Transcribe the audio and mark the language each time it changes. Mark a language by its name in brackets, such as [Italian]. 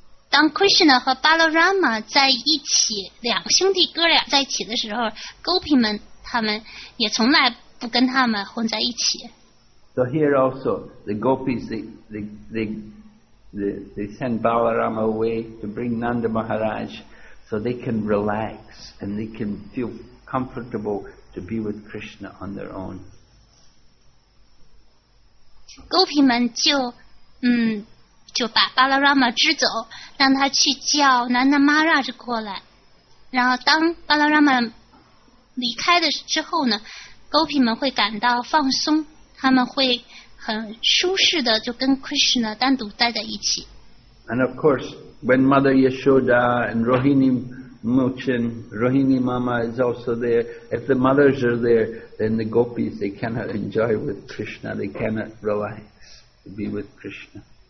[Chinese] 当 Krishna 和 Balarama 在一起，两兄弟哥俩在一起的时候， Gopi 们他们也从来不跟他们混在一起。 [English] So here also, the gopis, they send Balarama away to bring Nanda Maharaj so they can relax and they can feel comfortable to be with Krishna on their own. [Chinese] 勾品们就就把巴拉拉玛支走，让他去叫南南玛拉着过来。然后当巴拉拉玛离开的之后呢，勾品们会感到放松，他们会很舒适的就跟 Krishna 单独待在一起。 [English] And of course, when Mother Yashoda and Rohini Muchin, Rohini Mama is also there, if the mothers are there, then the gopis, they cannot enjoy with Krishna, they cannot relax to be with Krishna.